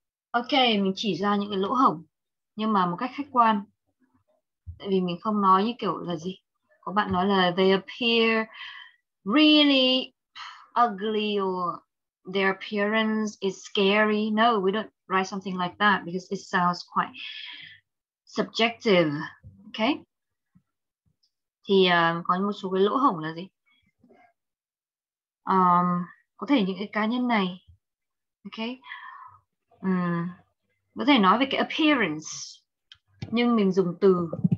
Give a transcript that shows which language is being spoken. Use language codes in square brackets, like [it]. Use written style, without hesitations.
[vi] Okay, mình chỉ ra những cái lỗ hổng, nhưng mà một cách khách quan. Tại vì mình không nói như kiểu là gì. Có bạn nói là [en] they appear really ugly or their appearance is scary. No, we don't write something like that because it sounds quite subjective. Okay. [vi] Thì có một số cái lỗ hổng là gì? Có thể những cái cá nhân này. Okay. Có thể nói về cái appearance. Nhưng mình dùng từ.